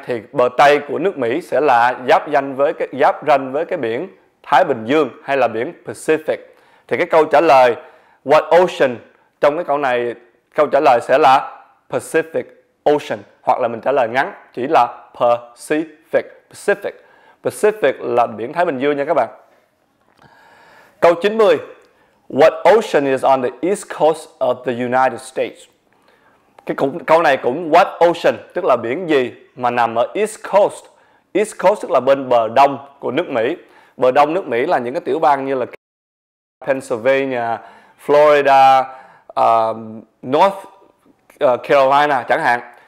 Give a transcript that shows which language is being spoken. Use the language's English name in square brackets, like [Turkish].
[Vietnamese] Thì bờ Tây của nước Mỹ sẽ là giáp ranh với cái biển Thái Bình Dương hay là biển Pacific. Thì cái câu trả lời [English] What ocean [Vietnamese] trong cái câu này, câu trả lời sẽ là Pacific Ocean, hoặc là mình trả lời ngắn chỉ là Pacific. Pacific là biển Thái Bình Dương nha các bạn. Câu 90: [English] What ocean is on the east coast of the United States? [Vietnamese] Cái câu này cũng [English] What ocean, [Vietnamese] tức là biển gì mà nằm ở [English] east coast. East coast [Vietnamese] tức là bên bờ đông của nước Mỹ. Bờ đông nước Mỹ là những cái tiểu bang như là Pennsylvania, Florida, North Carolina chẳng hạn.